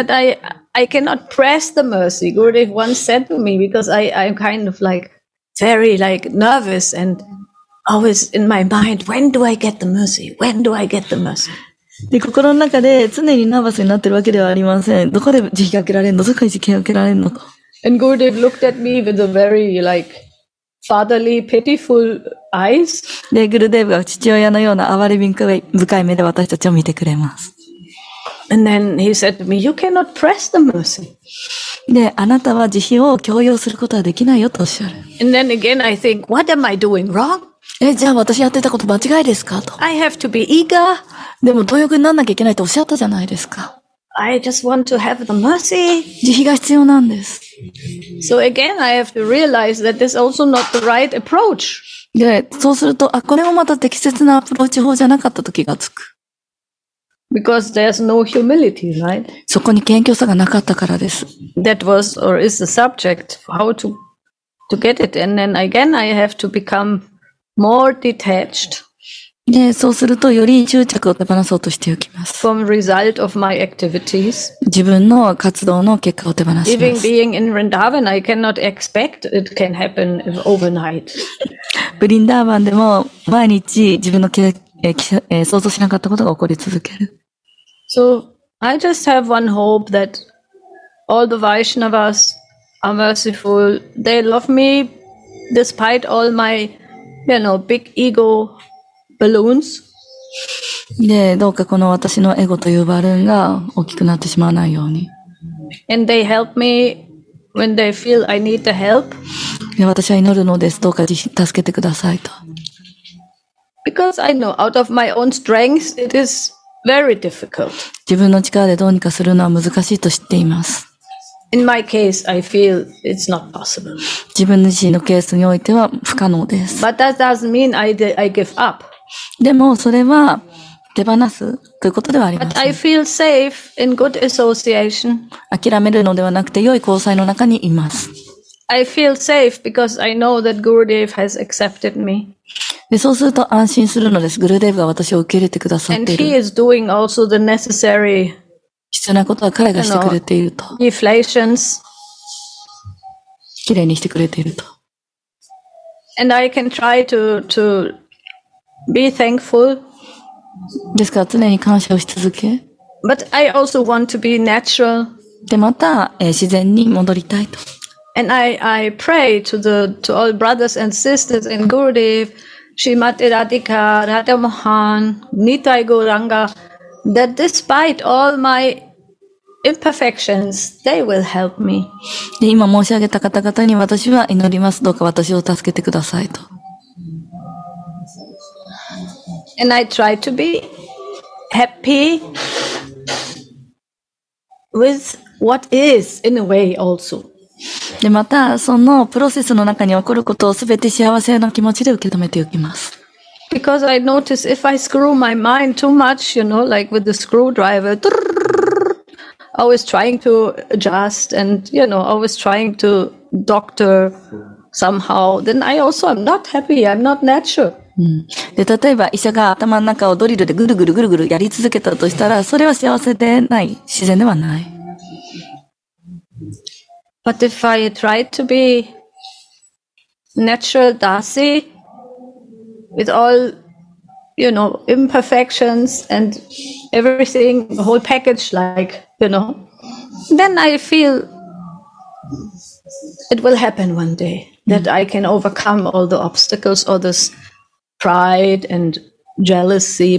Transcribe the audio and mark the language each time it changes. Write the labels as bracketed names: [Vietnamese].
[English] It's not that I cannot press the mercy. Gurudev once said to me because I'm kind of like very like nervous and always in my mind, when do I get the mercy? When do I get the mercy? [Japanese] で、心の中で常にナーバスになってるわけではありません。どこで慈悲かけられるの？どこで慈悲かけられるの？と。 [English] And Gurudev looked at me with a very like fatherly, pitiful eyes. [Japanese] で、グルデーブが父親のような哀れみ深い目で私たちを見てくれます。 [English] And then he said to me, you cannot press the mercy. [Japanese] で、あなたは慈悲を強要することはできないよとおっしゃる。 [English] And then again I think, what am I doing wrong? [Japanese] え、じゃあ私やってたこと間違いですかと。 [English] I have to be eager. [Japanese] でも貪欲にならなきゃいけないとおっしゃったじゃないですか。 [English] I just want to have the mercy. [Japanese] 慈悲が必要なんです。 [English] So again I have to realize that this is also not the right approach. [Japanese] で、そうすると、あ、これもまた適切なアプローチ法じゃなかったと気がつく。 [English] Because there's no humility, right? [Japanese] そこに謙虚さがなかったからです。 [English] That was or is the subject how to get it, and then again I have to become more detached. [Japanese] で、そうするとより執着を手放そうとしておきます。 [English] From result of my activities. [Japanese] 自分の活動の結果を手放します。 [English] Even being in Vrindavan, I cannot expect it can happen overnight. [Japanese] ブリンダーバンでも毎日自分の結果想像しなかったことが起こり続ける。 [English] So, I just have one hope that all the Vaishnavas are merciful. They love me despite all my, you know, big ego balloons. [Japanese] で、どうかこの私のエゴというバルーンが大きくなってしまわないように。 [English] And they help me when they feel I need the help. [Japanese] 私は祈るのです。どうか助けてくださいと。 [English] Because I know out of my own strength it is very difficult. [Japanese] 自分の力でどうにかするのは難しいと知っています。 [English] In my case, I feel it's not possible. [Japanese] 自分自身のケースにおいては不可能です。 [English] But that doesn't mean I give up. [Japanese] でもそれは手放すということではありません。 [English] But I feel safe in good association. [Japanese] 諦めるのではなくて良い交際の中にいます。 [English] I feel safe because I know that Gurudev has accepted me. [Japanese] で、そうすると安心するのです。グルデーヴが私を受け入れてくださっている。 [English] And he is doing also the necessary [Japanese] 必要なことは彼がしてくれていると。 [English] Deflations. [Japanese] きれいにしてくれていると。 [English] And I can try to be thankful. [Japanese] ですから常に感謝をし続け。 [English] But I also want to be natural. [Japanese] で、また、自然に戻りたいと。 [English] And I pray to all brothers and sisters in Gurudev, Srimati Radhika, Radha Mohan, Nitai Gauranga, that despite all my imperfections, they will help me. [Japanese] 今申し上げた方々に私は祈ります。どうか私を助けてくださいと。 [English] And I try to be happy with what is in a way also. [Japanese] でまたそのプロセスの中に起こることをすべて幸せな気持ちで受け止めておきます。 [English] Because I notice if I screw my mind too much, you know, like with the screwdriver, always trying to adjust and you know, always trying to doctor somehow, then I also am not happy. I'm not natural. [Japanese] で例えば医者が頭の中をドリルでぐるぐるぐるぐるやり続けたとしたら、それは幸せでない、自然ではない。 [English] But if I try to be natural Dasi with all, you know, imperfections and everything, the whole package, like, you know, then I feel it will happen one day that I can overcome all the obstacles or this pride and jealousy.